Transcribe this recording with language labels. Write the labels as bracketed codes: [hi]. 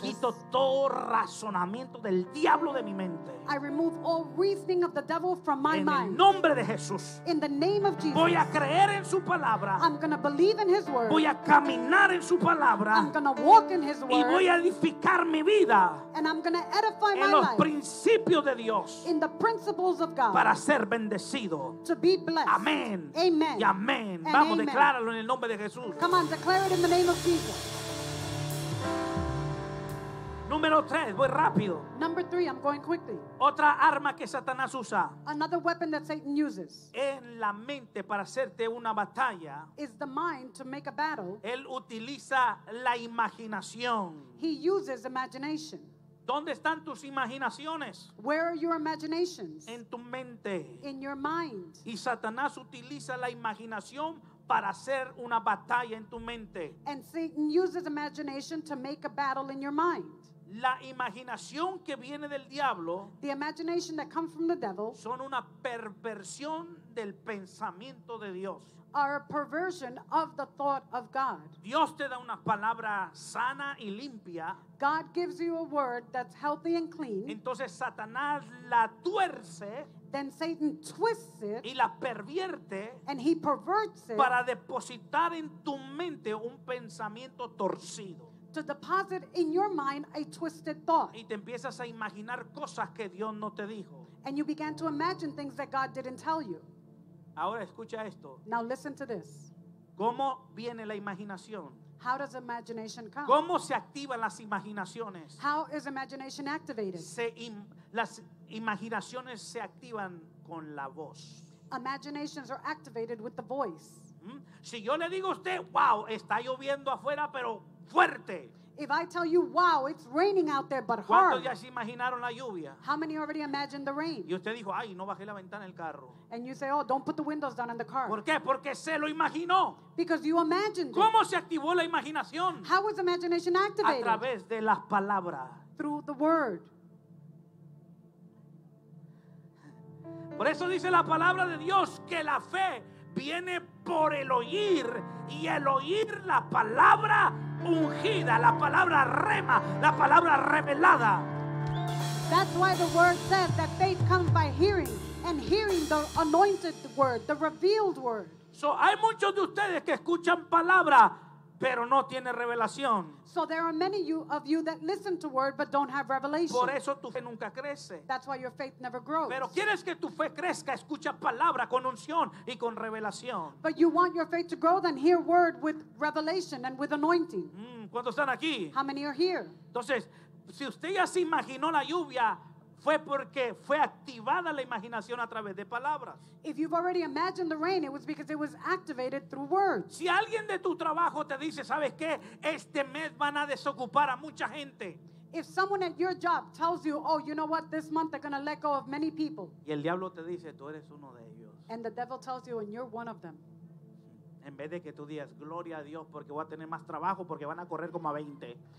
[es] Quito todo razonamiento del diablo de mi mente. [en] I remove all reasoning of the devil from my mind. [es] En el nombre de Jesús. [en] In the name of Jesus. [es] Voy a creer en su palabra. [en] I'm going to believe in his word. [es] Voy a caminar en su palabra. [en] I'm going to walk in his word. [es] Y voy a edificar mi vida. [en] And I'm going to edify my life. [es] En los principios de Dios. [en] In the principles of God. [es] Para ser bendecido. [en] To be blessed. [es] Amén. [en] Amen. [es] Y amén. Vamos, [en] amen. [es] Decláralo en el nombre de Jesús. [en] Come on, declare in the name of Jesus. [es] Número 3, voy rápido. [en] Number 3, I'm going quickly. [es] Otra arma que Satanás usa. [en] Another weapon that Satan uses. [es] En la mente para hacerte una batalla. [en] Is the mind to make a battle. [es] Él utiliza la imaginación. [en] He uses imagination. [es] ¿Dónde están tus imaginaciones? [en] Where are your imaginations? [es] En tu mente. [en] In your mind. [es] Y Satanás utiliza la imaginación para hacer una batalla en tu mente. [en] And Satan uses imagination to make a battle in your mind. [es] La imaginación que viene del diablo, [en] the imagination that comes from the devil, [es] son una perversión del pensamiento de Dios. [en] Are a perversion of the thought of God. [es] Dios te da una palabra sana y limpia. [en] God gives you a word that's healthy and clean. [es] Entonces Satanás la tuerce. [en] Then Satan twists it. [es] Y la pervierte. [en] And he perverts it. [es] Para depositar en tu mente un pensamiento torcido. [en] To deposit in your mind a twisted thought. [es] Y te empiezas a imaginar cosas que Dios no te dijo. [en] And you began to imagine things that God didn't tell you. [es] Ahora escucha esto. [en] Now listen to this. [es] ¿Cómo viene la imaginación? [en] How does imagination come? [es] ¿Cómo se activan las imaginaciones? [en] How is imagination activated? [es] Las imaginaciones se activan con la voz. [en] Imaginations are activated with the voice. [es] Si yo le digo a usted, wow, está lloviendo afuera, pero fuerte. [en] If I tell you, wow, it's raining out there, but hard. [es] ¿Cuántos ya se imaginaron la lluvia? [en] How many already imagined the rain? [es] Y usted dijo, ay, no bajé la ventana del carro. [en] And you say, oh, don't put the windows down in the car. [es] ¿Por qué? Porque se lo imaginó. [en] Because you imagined it. [es] ¿Cómo se activó la imaginación? [en] How was imagination activated? [es] A través de las palabras. [en] Through the word. [es] Por eso dice la palabra de Dios que la fe viene por el oír, y el oír la palabra ungida, la palabra rema, la palabra revelada. [en] That's why the word says that faith comes by hearing, and hearing the anointed word, the revealed word. [es] So hay muchos de ustedes que escuchan palabra, pero no tiene revelación. [en] So there are many of you that listen to word but don't have revelation. [es] Por eso tu fe nunca crece. [en] That's why your faith never grows. [es] Pero quieres que tu fe crezca, escucha palabra con unción y con revelación. [en] But you want your faith to grow, then hear word with revelation and with anointing. [es] ¿Cuántos están aquí? [en] How many are here? [es] Entonces, si usted ya se imaginó la lluvia, fue porque fue activada la imaginación a través de palabras. [en] If you've already imagined the rain, it was because it was activated through words. [es] Si alguien de tu trabajo te dice, ¿sabes qué? Este mes van a desocupar a mucha gente. [en] If someone at your job tells you, oh, you know what? This month they're going to let go of many people. [es] Y el diablo te dice, tú eres uno de ellos. [en] And the devil tells you, and you're one of them. [es] En vez de que tú digas, gloria a Dios, porque voy a tener más trabajo, porque van a correr como a 20.